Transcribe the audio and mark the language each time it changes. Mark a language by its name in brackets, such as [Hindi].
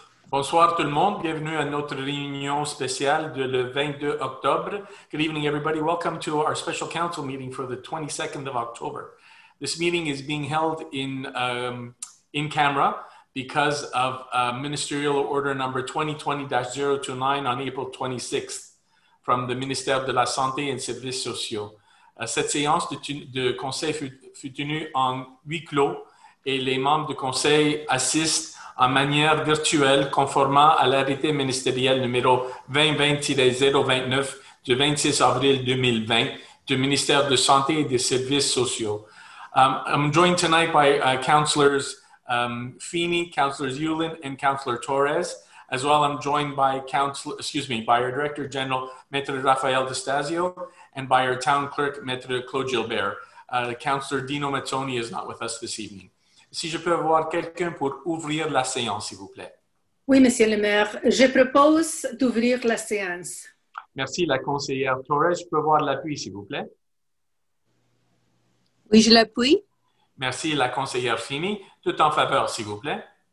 [French] Bonsoir tout le monde, bienvenue à notre réunion spéciale de le 22 octobre. [English] Good evening everybody, welcome to our special council meeting for the 22nd of October. This meeting is being held in camera because of ministerial order number 2020-029 on April 26th from the Ministère de la Santé et Services Sociaux. [French] Cette séance de conseil fut tenue en huis clos et les membres du conseil assistent en manière virtuelle, conformément à l'arrêté ministériel numéro 2020-029 du 26 avril 2020 du ministère de Santé et des Services Sociaux. [English] I'm joined tonight by Councillors Feeney, Councillors Ulin, and Councillor Torres. As well, I'm joined by by our Director General, Maître Raphael D'Estasio, and by our Town Clerk, Maître Claude Gilbert. Councillor Dino Mazzoni is not with us this evening. [French] Si je peux avoir quelqu'un pour ouvrir la séance, s'il vous plaît. Oui, Monsieur le Maire, je propose d'ouvrir la séance. Merci, la conseillère Torres. Je peux avoir l'appui, s'il vous plaît. Oui, je l'appuie. Merci, la conseillère Fini. Tout en faveur, s'il vous plaît.